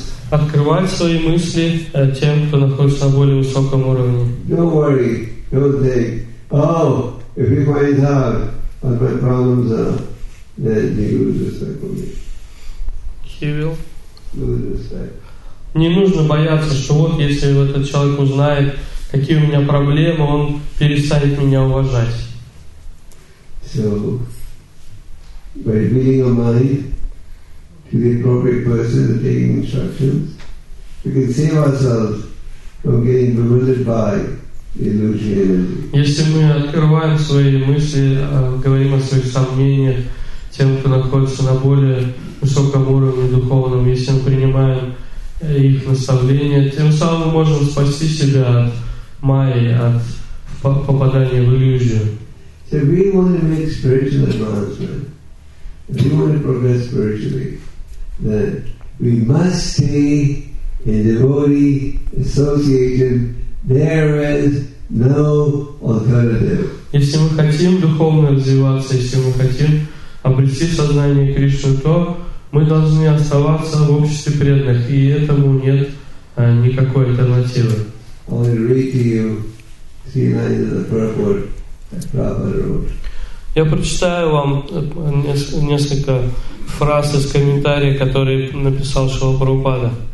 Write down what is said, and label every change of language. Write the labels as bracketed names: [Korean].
[Russian] Открывать свои мысли тем, кто находится на более высоком уровне. [English] Don't worry, don't think, oh, if he finds out what my problems are, then he loses respect for me. He will. Lose respect. [Russian] Не нужно бояться, что вот если этот человек узнает, какие у меня проблемы, он перестанет меня уважать. [English] So, by reading your mind, to the appropriate person and taking instructions, we can save ourselves from getting bewildered by the illusory energy. [Russian] Если мы открываем свои мысли, говорим о своих сомнениях тем, кто находится на более высоком уровне духовном, если мы принимаем их наставления, тем самым мы можем спасти себя от майи, от попадания в иллюзию. [English] So we want to make spiritual advancement. If we want to progress spiritually, that we must stay in devotee association. There is no alternative. [Russian] Если мы хотим духовно развиваться, если мы хотим обрести сознание Кришны, то мы должны оставаться в обществе преданных, и этому нет никакой альтернативы. [English] I'll read to you three lines of the purport that Prabhupada wrote. [Russian] Я прочитаю вам несколько фраз из комментария, который написал Шрила Прабхупада.